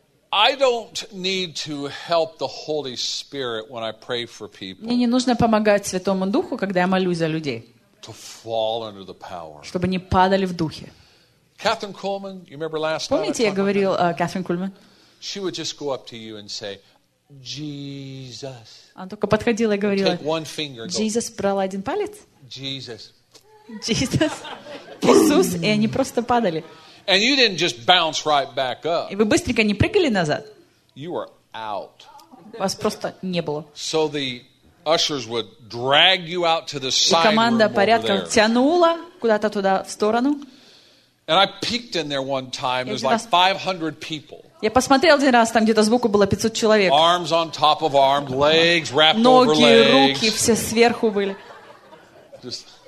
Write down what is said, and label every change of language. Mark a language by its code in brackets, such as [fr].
[en] I don't need to help the Holy Spirit when I pray for people. [ru] Мне не нужно помогать Святому Духу, когда я молюсь за людей. [en] To fall under the power. [ru] Чтобы не падали в духе. [en] Catherine Kuhlman, you remember last night? [ru] Помните, я говорил о Catherine Kuhlman? [en] She would just go up to you and say, Jesus. [ru] Она только подходила и говорила. Jesus, брала один палец. [en] Jesus. Jesus. [ru] Иисус, и они просто падали. [en] And you didn't just bounce right back up. [ru] И вы быстренько не прыгали назад. [en] You were out. [ru] Вас просто не было. [en] So the ushers would drag you out to the side. [ru] И команда порядка тянула куда-то туда в сторону. [en] And I peeked in there one time. There's like 500 people. [ru] Я посмотрел один раз, там где-то сбоку было 500 человек. [en] Arms on top of arms, legs wrapped [ru] ноги, [en] over legs. [ru] Ноги, руки все сверху были. [en] Just,